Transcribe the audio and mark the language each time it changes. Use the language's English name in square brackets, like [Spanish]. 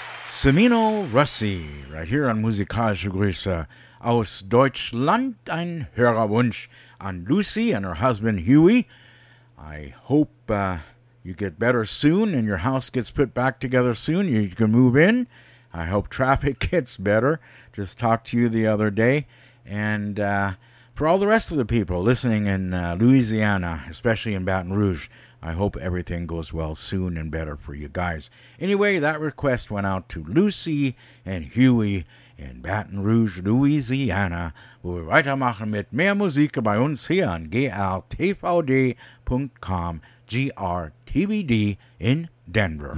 [English] Semino Rossi, right here on Musikalische Grüße aus Deutschland. [German] Ein Hörerwunsch an Lucy [English] and her husband [German] Huey. [English] I hope you get better soon and your house gets put back together soon. You can move in. I hope traffic gets better. Just talked to you the other day. And for all the rest of the people listening in Louisiana, especially in Baton Rouge, I hope everything goes well soon and better for you guys. Anyway, that request went out to Lucy and Huey in Baton Rouge, Louisiana. We'll [German] weitermachen mit mehr Musik bei uns hier on grtvd.com, GRTVD in Denver.